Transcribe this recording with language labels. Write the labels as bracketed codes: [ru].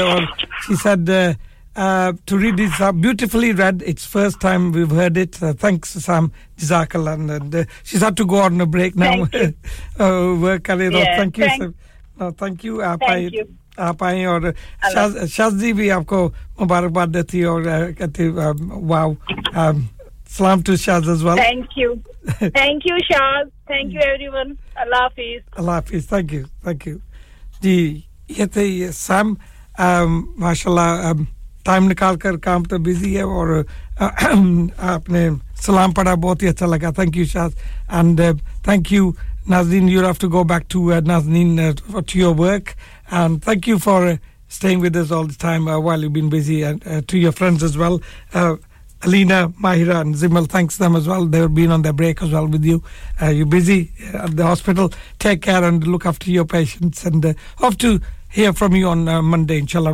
[en] Or she said to read it beautifully read. It's first time we've heard it. Thanks, Sam. JazakAllah. And she's had to go on a break now. Work on it. Thank you. Thank you. Thank you. [hi] आप आए और शाज जी भी आपको मुबारकबाद देती और कहती [en] Wow सलाम to Shaz as well thank you Shaz thank you everyone अल्लाह हाफिज़ थैंक यू जी ये थे ये सैम माशाल्लाह टाइम निकाल कर काम तो बिजी है और आपने सलाम पढ़ा बहुत ही अच्छा लगा thank you Shaz and thank you Nazneen, you'll have to go back to Nazneen to your work. And thank you for staying with us all the time while you've been busy. And to your friends as well, Alina, Mahira and Zimal, thanks to them as well. They've been on their break as well with you. You're busy at the hospital. Take care and look after your patients. And hope to hear from you on Monday, inshallah.